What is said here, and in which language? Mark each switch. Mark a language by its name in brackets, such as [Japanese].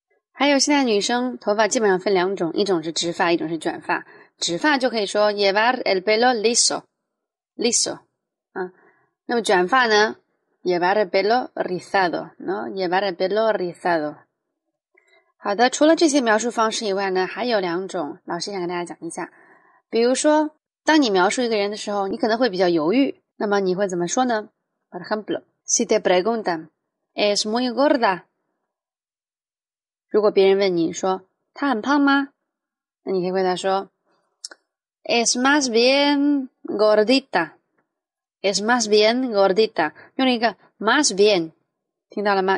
[Chinese] 还有现在女生头发基本上分两种，一种是直发，一种是卷发。直发就可以说 [Spanish] Llevar el pelo liso, liso. [Chinese] 那么卷发呢？ [Spanish] Llevar el pelo rizado, ¿no? Llevar el pelo rizado. [Chinese] 好的，除了这些描述方式以外呢，还有两种，老师想跟大家讲一下。比如说，当你描述一个人的时候，你可能会比较犹豫，那么你会怎么说呢？ [Spanish] Por ejemplo, si te preguntan, es muy gorda。 [Chinese] 如果别人问你说他很胖吗？那你可以回答说， [Spanish] es más bien gordita。 es más bien gordita， [Chinese] 用了一个 [Spanish] más bien， [Chinese] 听到了吗？